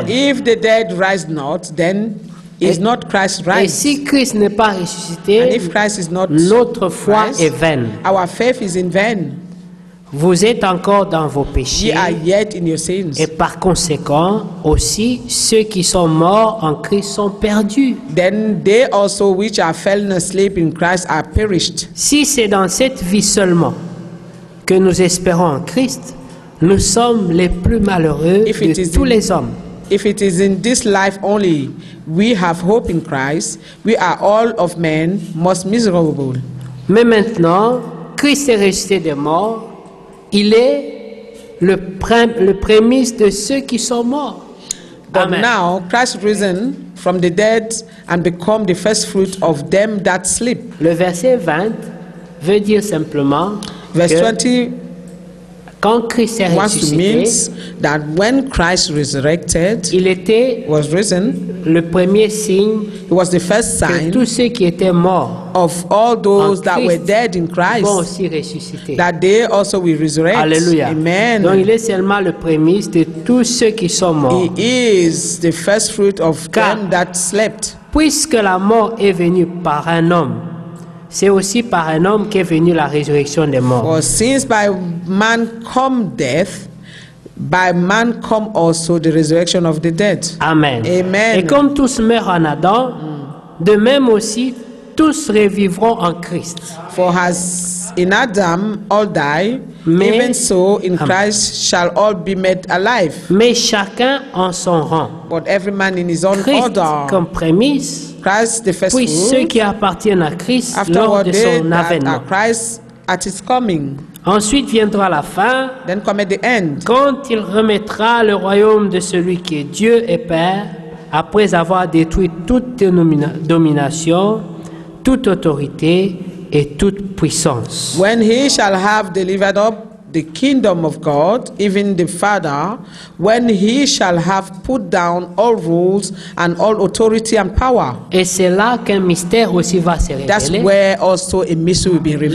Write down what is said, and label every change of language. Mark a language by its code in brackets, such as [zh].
[en] For if the dead rise not, then is not Christ rise. [fr] Et si Christ n'est pas ressuscité, [en] and if Christ is not [fr] notre foi [en] Christ, [fr] est vaine. [en] Our faith is in vain. [fr] Vous êtes encore dans vos péchés. [en] We are yet in your sins. [fr] Et par conséquent, aussi ceux qui sont morts en Christ sont perdus. [en] Then they also which are fallen asleep in Christ are perished. [fr] Si c'est dans cette vie seulement que nous espérons en Christ, nous sommes les plus malheureux de tous les hommes. [en] If it is in this life only we have hope in Christ, we are all of men most miserable. [fr] Mais maintenant, Christ est ressuscité des morts. Il est le prémisse de ceux qui sont morts. [en] But now Christ risen from the dead and become the first fruit of them that sleep. [fr] Le verset 20 veut dire simplement [en] verse 20 [fr] quand Christ est ressuscité, [en] means that when Christ resurrected, [fr] il était [en] was risen, [fr] le premier signe, [en] it was the first sign [fr] que tous ceux qui étaient morts [en] of all those that were dead in Christ [fr] vont aussi ressusciter. [en] That they also will resurrect. Alléluia. Amen. [fr] Donc il est seulement le prémisse de tous ceux qui sont morts. [en] He is the first fruit of [fr] car [en] them that slept. [fr] Puisque la mort est venue par un homme, c'est aussi par un homme qu'est venue la résurrection des morts. [en] For since by man come death, by man come also the resurrection of the dead. Amen. Amen. [fr] Et comme tous meurent en Adam, de même aussi tous revivront en Christ. [en] For as in Adam all die, [fr] mais, [en] even so in amen. Christ shall all be made alive. [fr] Mais chacun en son rang. [en] But every man in his own Christ order. [fr] Comme prémisse. [en] Christ the first [fr] puis ceux qui appartiennent à Christ [en] afterward [fr] lors de son avènement. [en] Christ at his coming. [fr] Ensuite viendra la fin. [en] Then come at the end. [fr] Quand il remettra le royaume de celui qui est Dieu et Père, après avoir détruit toute domination, toute autorité et toute puissance. [en] When he shall have delivered up the kingdom of God, even the Father, when he shall have put down all rules and all authority and power. [fr] Et c'est là qu'un mystère aussi va se révéler. [en] That's where also a mystery will be revealed.